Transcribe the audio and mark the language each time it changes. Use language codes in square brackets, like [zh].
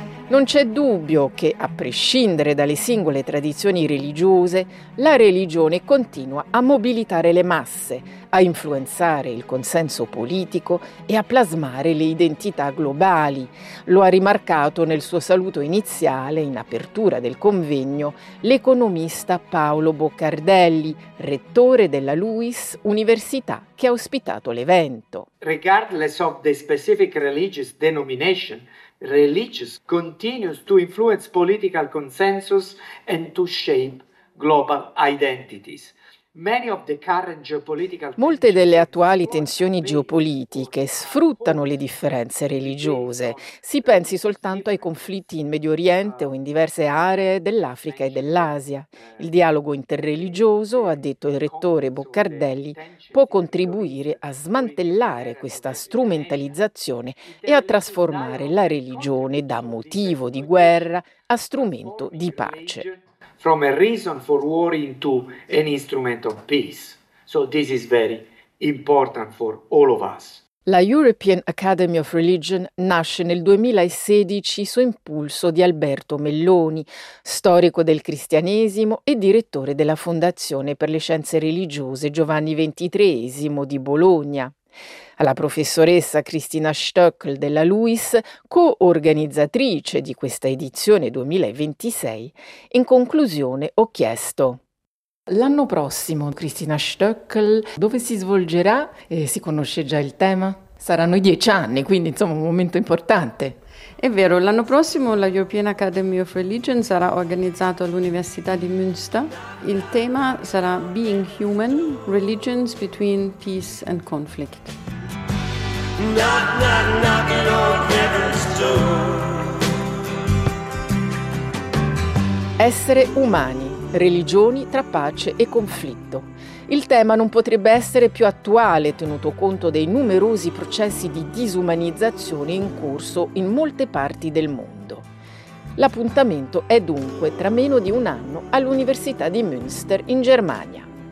[it] Non c'è dubbio che, a prescindere dalle singole tradizioni religiose, la religione continua a mobilitare le masse, a influenzare il consenso politico e a plasmare le identità globali. Lo ha rimarcato nel suo saluto iniziale, in apertura del convegno, l'economista Paolo Boccardelli, rettore della LUIS, università che ha ospitato l'evento. [en] Regardless of the specific religious denomination, religious continues to influence political consensus and to shape global identities. [it] Molte delle attuali tensioni geopolitiche sfruttano le differenze religiose. Si pensi soltanto ai conflitti in Medio Oriente o in diverse aree dell'Africa e dell'Asia. Il dialogo interreligioso, ha detto il rettore Boccardelli, può contribuire a smantellare questa strumentalizzazione e a trasformare la religione da motivo di guerra a strumento di pace. [en] From a reason for war into an instrument of peace. So this is very important for all of us. [it] La European Academy of Religion nasce nel 2016 su impulso di Alberto Melloni, storico del cristianesimo e direttore della Fondazione per le Scienze Religiose Giovanni XXIII di Bologna. Alla professoressa Cristina Stöckl della LUIS, co-organizzatrice di questa edizione 2026, in conclusione ho chiesto: l'anno prossimo, Cristina Stöckl, dove si svolgerà? Si conosce già il tema? Saranno i 10 anni, quindi insomma un momento importante. È vero, l'anno prossimo la European Academy of Religion sarà organizzata all'Università di Münster. Il tema sarà [en] Being Human, Religions Between Peace and Conflict. Knock, knock, knocking on heaven's door. [it] Essere umani, religioni tra pace e conflitto. Il tema non potrebbe essere più attuale, tenuto conto dei numerosi processi di disumanizzazione in corso in molte parti del mondo. L'appuntamento è dunque tra meno di un anno all'Università di Münster in Germania.